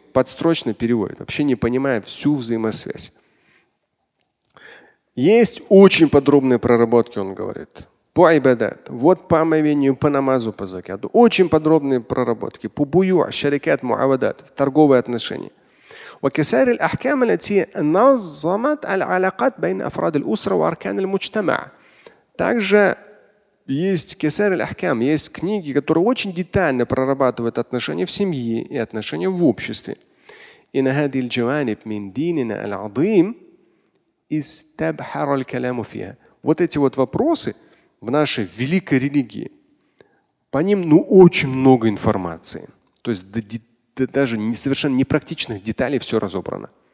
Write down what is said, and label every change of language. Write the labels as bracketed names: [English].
[Russian] подстрочно переводят, вообще не понимая всю взаимосвязь. Есть очень подробные проработки, он говорит. По айбадат, вот по омовению, по намазу, по закяту. Очень подробные проработки. По бую, шарикат, муавадат, торговые отношения. [Arabic] وكسائر الأحكام التي نظمت العلاقات بين أفراد الأسرة وأركان المجتمع. [Russian] Также есть [Arabic] كسائر الأحكام, [Russian] есть книги, которые очень детально прорабатывают отношения в семье и отношения в обществе. [Arabic] إن هذه الجوانب من ديننا العظيم استبحر الكلام فيها. [Russian] Вот эти вот вопросы в нашей великой религии, по ним ну очень много информации. То есть даже совершенно непрактичных деталей все разобрано.